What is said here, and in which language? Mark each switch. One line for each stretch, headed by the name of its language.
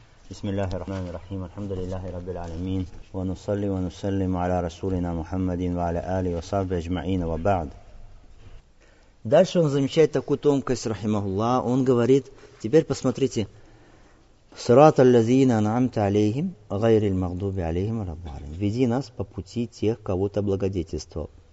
Arabic: بسم الله الرحمن الرحيم الحمد لله رب العالمين ونصلي ونسلم على رسولنا محمد وعلى آله وصحبه أجمعين وبعد.
Russian: Дальше он замечает такую тонкость, рахимахуллах. Он говорит, теперь посмотрите.
Arabic: صراط الذين أنعمت عليهم غير المغضوب عليهم ولا الضالين.
Russian: Веди нас по пути тех, кого ты благодетельствовал.